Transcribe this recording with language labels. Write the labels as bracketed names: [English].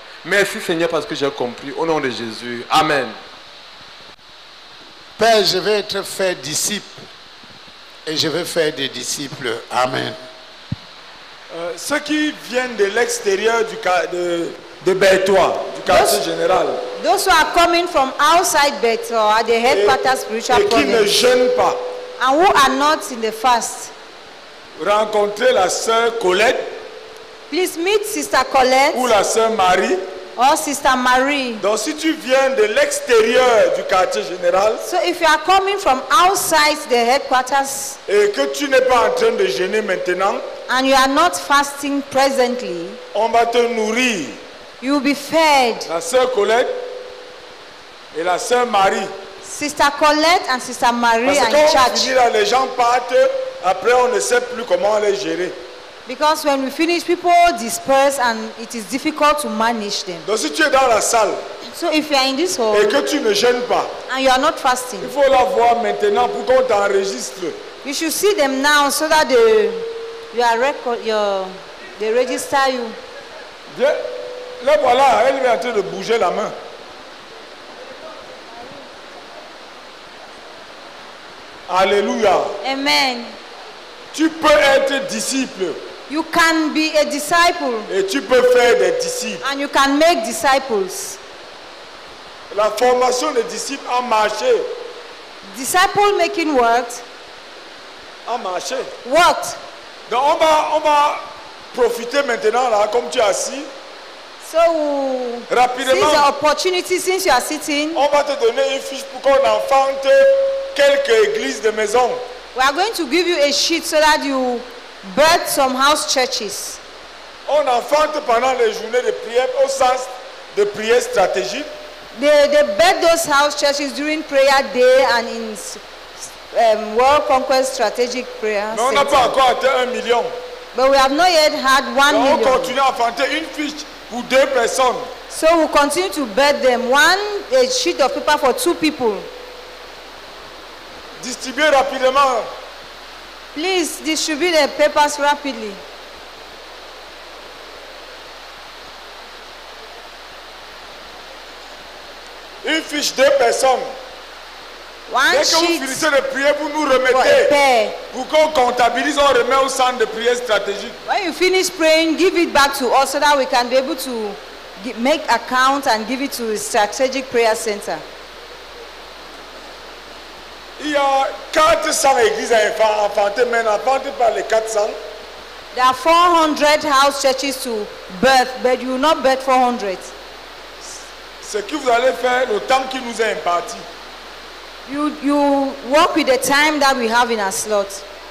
[French] Merci Seigneur parce que j'ai compris. Au nom de Jésus. Amen. Père, je vais être fait disciple et je vais faire des disciples. Amen. Ceux qui viennent de l'extérieur de Bétois, du quartier général. [English] Those who are coming from outside Bétois, at the headquarters spiritual [French] province. Et qui ne jeûnent pas. [English] And who are not in the fast. [French] Rencontrez la sœur Colette. [English] Please meet Sister Colette. [French] Ou la sœur Marie. [English] Oh, Sister Marie. [French] Donc, si tu viens de l'extérieur du quartier général, [English] so if you are coming from outside the headquarters, [French] et que tu n'es pas en train de jeûner maintenant, [English] and you are not fasting presently, [French] on va te nourrir. [English] You will be fed. [French] La sœur Colette et la sœur Marie. [English] Sister Colette and Sister Marie and church. [French] Parce que quand on finit là, les gens partent. Après, on ne sait plus comment les gérer. [English] Because when we finish, people disperse and it is difficult to manage them. [French] Donc si tu es dans la salle, [English] so if you are in this hall [French] et que tu ne gênes pas, [English] and you are not fasting, [French] il faut la voir maintenant pour qu'on t'enregistre. [English] You should see them now so that they register you. [French] Bien. Là voilà, elle est en train de bouger la main. Alléluia. Amen. Tu peux être disciple. [English] You can be a disciple. [French] Et tu peux faire des disciples. [English] And you can make disciples. [French] La formation des disciples a marché. [English] Disciple making what? [French] A marché. [English] What? [French] Donc on va profiter maintenant là, comme tu es assis. [English] So [French] rapidement. [English] See the opportunity since you are sitting. [French] On va te donner une fiche pour qu'on enfante quelques églises de maison. [English] We are going to give you a sheet so that you birth some house churches. [French] On enfante pendant les journées de prière au sens de prière stratégique. [English] They birth those house churches during prayer day and in world conquest strategic prayer. [French] Mais on n'a pas encore atteint 1 million. [English] But we have not yet had 1 million. [French] On continue à enfanter une fiche pour 2 personnes. [English] So we continue to birth them one a sheet of paper for 2 people. [French] Distribuez rapidement. [English] Please distribute the papers rapidly. [French] Une fiche 2 personnes. [English] One [French] dès que vous finissez de prier, vous nous remettez. Pour qu'on comptabilise, on remet au centre de prière stratégique. [English] When you finish praying, give it back to us so that we can be able to make account and give it to the strategic prayer center. [French] Il y a 400 églises à enfanter, mais n'enfantez pas les 400. [English] There are 400 house churches to birth, but you will not birth 400. [French] Ce que vous allez faire, le temps qui nous est imparti. [English] You work with the time that we have in our slot.